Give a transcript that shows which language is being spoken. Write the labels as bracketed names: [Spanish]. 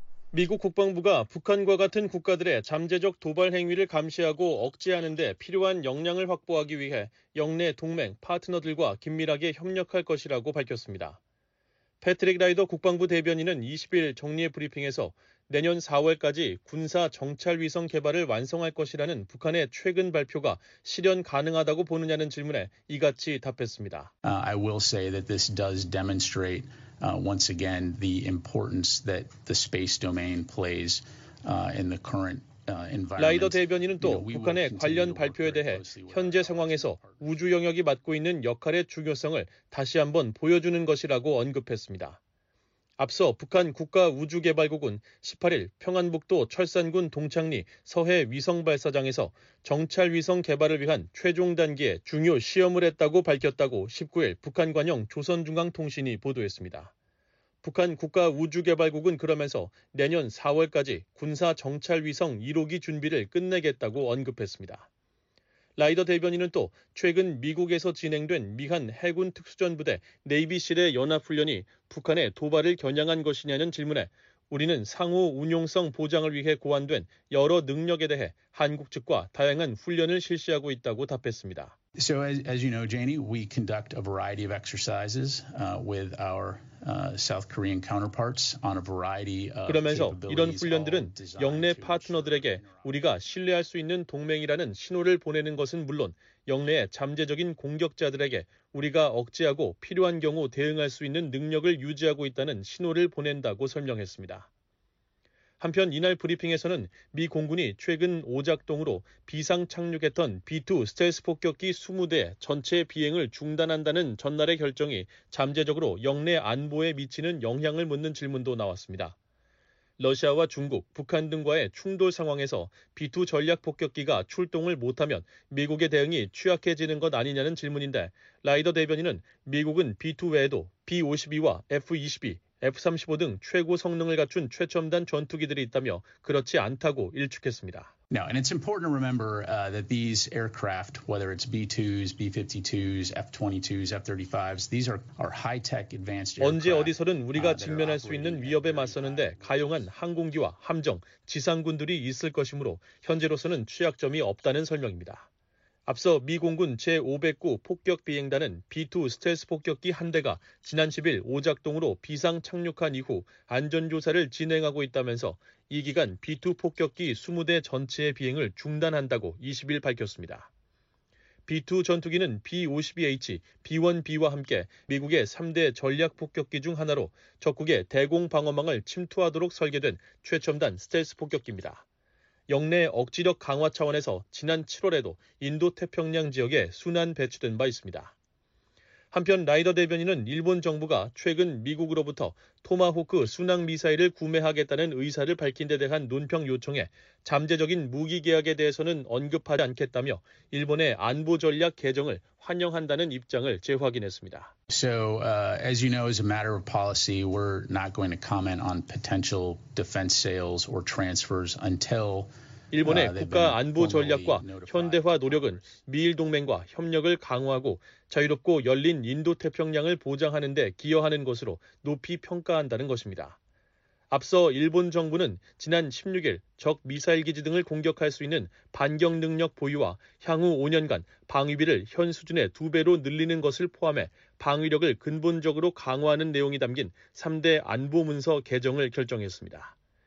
[Korean] 미국 국방부가 북한과 같은 국가들의 잠재적 도발 행위를 감시하고 억제하는 데 필요한 역량을 확보하기 위해 영내 동맹, 파트너들과 긴밀하게 협력할 것이라고 밝혔습니다. 패트릭 라이더 국방부 대변인은 20일 정례 브리핑에서 내년 4월까지 군사 정찰 위성 개발을 완성할 것이라는 북한의 최근 발표가 실현 가능하다고 보느냐는 질문에 이같이 답했습니다. [English] I will say that this does demonstrate once again the importance that the space domain plays in the current [Korean] 라이더 대변인은 또 북한의 관련 발표에 대해 현재 상황에서 우주 영역이 맡고 있는 역할의 중요성을 다시 한번 보여주는 것이라고 언급했습니다. 앞서 북한 국가우주개발국은 18일 평안북도 철산군 동창리 서해 위성발사장에서 정찰위성 개발을 위한 최종 단계의 중요 시험을 했다고 밝혔다고 19일 북한 관영 조선중앙통신이 보도했습니다. 북한 국가우주개발국은 그러면서 내년 4월까지 군사 정찰위성 1호기 준비를 끝내겠다고 언급했습니다. 라이더 대변인은 또 최근 미국에서 진행된 미한 해군 특수전부대 네이비실의 연합훈련이 북한의 도발을 겨냥한 것이냐는 질문에 우리는 상호 운용성 보장을 위해 고안된 여러 능력에 대해 한국 측과 다양한 훈련을 실시하고 있다고 답했습니다. [English] So as you know, Janie, we conduct a variety of exercises with our South Korean counterparts on a variety of [Korean] 그러면서 이런 훈련들은 영내 파트너들에게 우리가 신뢰할 수 있는 동맹이라는 신호를 보내는 것은 물론 영내의 잠재적인 공격자들에게 우리가 억제하고 필요한 경우 대응할 수 있는 능력을 유지하고 있다는 신호를 보낸다고 설명했습니다. 한편 이날 브리핑에서는 미 공군이 최근 오작동으로 비상 착륙했던 B-2 스텔스 폭격기 20대 전체 비행을 중단한다는 전날의 결정이 잠재적으로 영내 안보에 미치는 영향을 묻는 질문도 나왔습니다. 러시아와 중국, 북한 등과의 충돌 상황에서 B-2 전략 폭격기가 출동을 못하면 미국의 대응이 취약해지는 것 아니냐는 질문인데 라이더 대변인은 미국은 B-2 외에도 B-52와 F-22, F-35 등 최고 성능을 갖춘 최첨단 전투기들이 있다며 그렇지 않다고 일축했습니다. [English] Now, and it's important to remember that these aircraft, whether it's B-2s, B-52s, F-22s, F-35s, these are high-tech advanced aircraft. [Korean] 언제 어디서든 우리가 직면할 수 있는 위협에 맞서는데 가용한 항공기와 함정, 지상군들이 있을 것이므로 현재로서는 취약점이 없다는 설명입니다. 앞서 미 공군 제509 폭격 비행단은 B-2 스텔스 폭격기 한 대가 지난 10일 오작동으로 비상 착륙한 이후 안전조사를 진행하고 있다면서 이 기간 B-2 폭격기 20대 전체의 비행을 중단한다고 20일 밝혔습니다. B-2 전투기는 B-52H, B-1B와 함께 미국의 3대 전략 폭격기 중 하나로 적국의 대공 방어망을 침투하도록 설계된 최첨단 스텔스 폭격기입니다. 영내 억지력 강화 차원에서 지난 7월에도 인도태평양 지역에 순환 배치된 바 있습니다. 한편 라이더 대변인은 일본 정부가 최근 미국으로부터 토마호크 순항미사일을 구매하겠다는 의사를 밝힌 데 대한 논평 요청에 잠재적인 무기 계약에 대해서는 언급하지 않겠다며 일본의 안보 전략 개정을 환영한다는 입장을 재확인했습니다. [English] So, as you know, as a matter of policy, we're not going to comment on potential defense sales or transfers until [Korean] 일본의 국가 안보 전략과 현대화 노력은 미일 동맹과 협력을 강화하고 자유롭고 열린 인도 태평양을 보장하는 데 기여하는 것으로 높이 평가한다는 것입니다. 앞서 일본 정부는 지난 16일 적 미사일 기지 등을 공격할 수 있는 반격 능력 보유와 향후 5년간 방위비를 현 수준의 2배로 늘리는 것을 포함해 방위력을 근본적으로 강화하는 내용이 담긴 3대 안보 문서 개정을 결정했습니다.